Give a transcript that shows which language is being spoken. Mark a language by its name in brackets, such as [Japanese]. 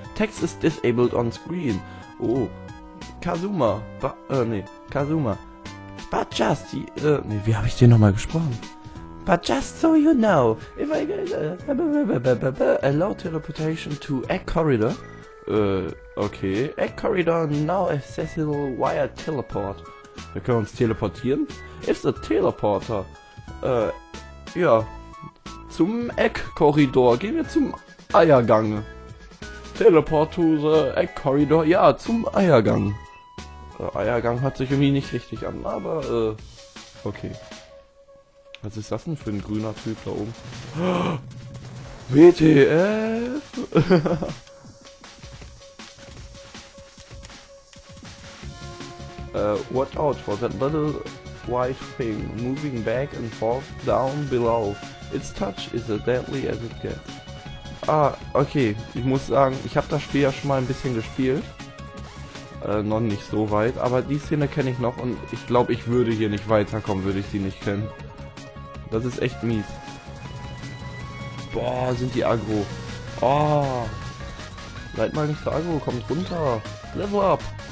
[English] Text is disabled on screen. Oh. Kazuma. Kazuma. But just, [German] wie habe ich den nochmal gesprochen? [English] But just so you know, if I get a low teleportation to Egg Corridor. Okay. Egg Corridor now accessible via teleport. [German] Wir können uns teleportieren. [English] It's a teleporter. [German] Zum Egg Corridor. Gehen wir zum Eiergang. [English] Teleport to the Egg Corridor. [German] Ja, zum Eiergang. Eiergang hört sich irgendwie nicht richtig an, aber okay. Was ist das denn für ein grüner Typ da oben? WTF? [English] Watch out for that little white thing moving back and forth down below. Its touch is as deadly as it gets. [German] Ah, okay. Ich muss sagen, ich habe das Spiel ja schon mal ein bisschen gespielt. Noch nicht so weit, aber die Szene kenne ich noch und ich glaube, ich würde hier nicht weiterkommen, würde ich sie nicht kennen. Das ist echt mies. Boah, sind die aggro. Oh. Seid mal nicht so aggro, kommt runter. Level up.